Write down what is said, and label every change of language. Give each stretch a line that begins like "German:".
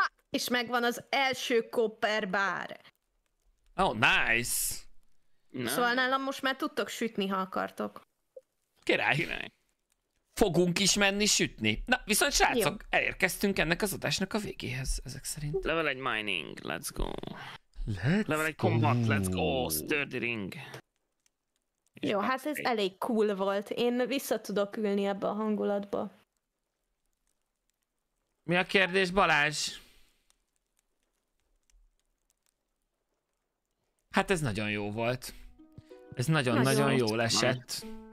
Hungarian: És megvan az első copper bar.
English: Oh, nice!
Hungarian: Nem. Szóval nálam most már tudtok sütni, ha akartok. Király, király. Fogunk is menni sütni. Na, viszont srácok, jó, elérkeztünk ennek az adásnak a végéhez, ezek szerint.
English: Level 1 mining, let's go. Let's Level 1 combat, let's go, sturdy ring.
Hungarian: Jó, hát ez elég cool volt. Én vissza tudok ülni ebbe a hangulatba. Mi a kérdés, Balázs? Hát ez nagyon jó volt. Ez nagyon-nagyon jó esett.